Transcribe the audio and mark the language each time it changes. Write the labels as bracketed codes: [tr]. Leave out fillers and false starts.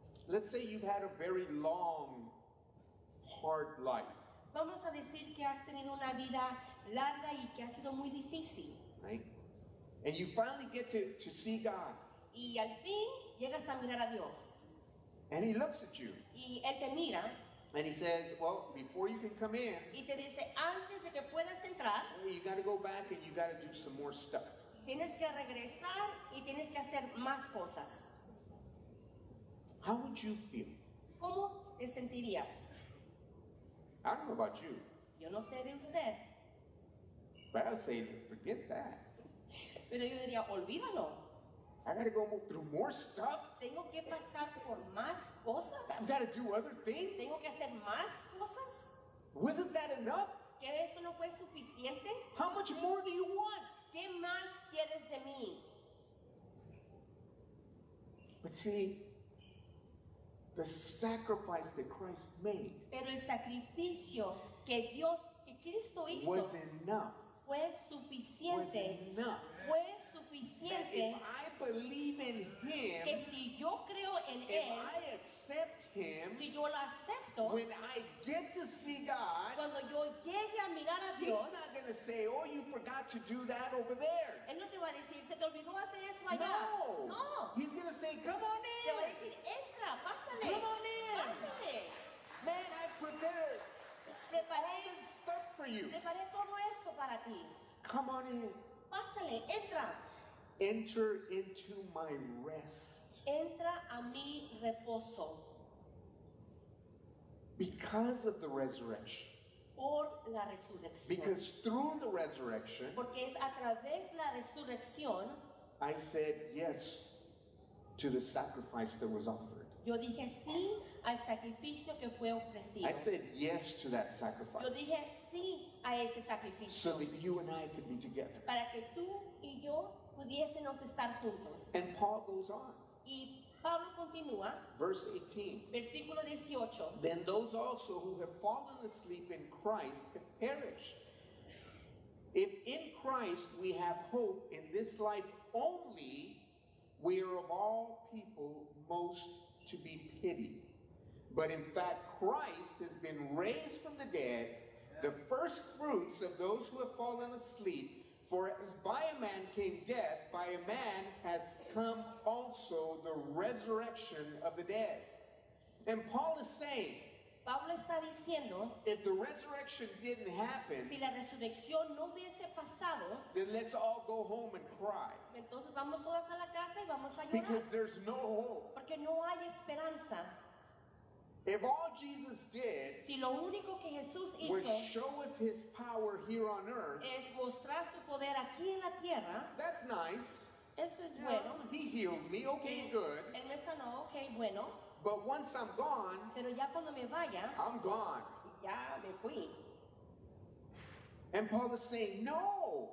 [en] Let's say you've had a very long, hard life. [es] Vamos a decir que has tenido una vida larga y que ha sido muy difícil. [en] Right? And you finally get to see God. [es] Y al fin llegas a mirar a Dios. [en] And he looks at you. [es] Y él te mira. [en] And he says, well, before you can come in. [es] Y te dice, antes de que puedas entrar. [en] You got to go back and you got to do some more stuff. [es] Tienes que regresar y tienes que hacer más cosas. [en] How would you feel? [es] ¿Cómo te sentirías? [en] I don't know about you. [es] Yo no sé de usted. [en] But I'll say, forget that. [es] Pero yo diría, olvídalo. [en] I gotta go through more stuff. [es] Tengo que pasar por más cosas. [en] I gotta do other things. [es] Tengo que hacer más cosas. [en] Wasn't that enough? [es] ¿Que eso no fue suficiente? [en] How much more do you want? [es] ¿Qué más quieres de mí? [en] But see, the sacrifice that Christ made. [es] Pero el sacrificio que Dios, que Cristo hizo. [en] Was enough. [es] Fue suficiente. [en] Was enough. [es] Fue suficiente. [en] That if I believe in him. [es] Que si yo creo en [en] if [es] él. [en] If I accept him. [es] Si yo lo acepto. [en] When I get to see God. [es] Cuando yo llegue a mirar a Dios. [en] He's not going to say, oh, you forgot to do that over there. [es] Él no te va a decir, se te olvidó hacer eso allá. [en] No. [es] No. [en] He's going to say, come on in. [es] Te va a decir, entra, pásale. [en] Come on in. [es] Pásale. [en] Man, I've prepared. [es] Preparé [en] all this stuff for you. [es] Preparé todo esto para ti. [en] Come on in. [es] Pásale, entra. [en] Enter into my rest. [es] Entra a mi reposo. [en] Because of the resurrection. [es] Por la resurrección. [en] Because through the resurrection. [es] Porque es a través de la resurrección. [en] I said yes to the sacrifice that was offered. [es] Yo dije sí al sacrificio que fue ofrecido. [en] I said yes to that sacrifice. [es] Yo dije sí a ese sacrificio. [en] So that you and I could be together. [es] Para que tú y yo pudiésemos estar juntos. [en] And Paul goes on. [es] Y Pablo continúa. [en] Verse 18. [es] Versículo 18. [en] Then those also who have fallen asleep in Christ have perished. If in Christ we have hope in this life only, we are of all people most to be pitied. But in fact, Christ has been raised from the dead, the first fruits of those who have fallen asleep. For as by a man came death, by a man has come also the resurrection of the dead. And Paul is saying, [es] Pablo está diciendo, [en] if the resurrection didn't happen, [es] si la resurrección no hubiese pasado, [en] then let's all go home and cry. [es] Entonces vamos todas a la casa y vamos a llorar. [en] Because there's no hope. [es] Porque no hay esperanza. [en] If all Jesus did, [es] si lo único que Jesús hizo, [en] was show us his power here on earth, [es] es mostrar su poder aquí en la tierra, [en] that's nice. [es] Eso es bueno. [en] Well, he healed me, okay, y, good. [es] Él me sanó, okay, bueno. [en] But once I'm gone, [es] pero ya cuando me vaya, [en] I'm gone. [es] Ya me fui. [en] And Paul is saying, no.